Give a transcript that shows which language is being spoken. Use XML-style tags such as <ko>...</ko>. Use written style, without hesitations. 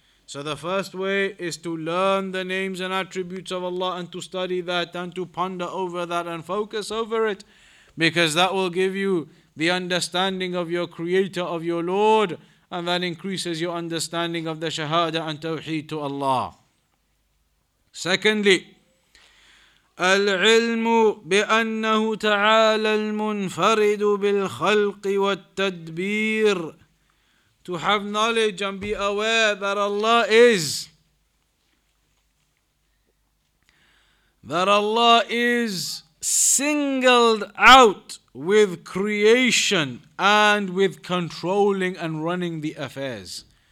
<en>So the first way is to learn the names and attributes of Allah and to study that and to ponder over that and focus over it, because that will give you the understanding of your Creator, of your Lord, and that increases your understanding of the Shahada and Tawheed to Allah. Secondly,</en> <ar>العلم بأنه تعالى المنفرد بالخلق والتدبير.</ar> <en>To have knowledge and be aware that Allah is singled out with creation and with controlling and running the affairs.</en>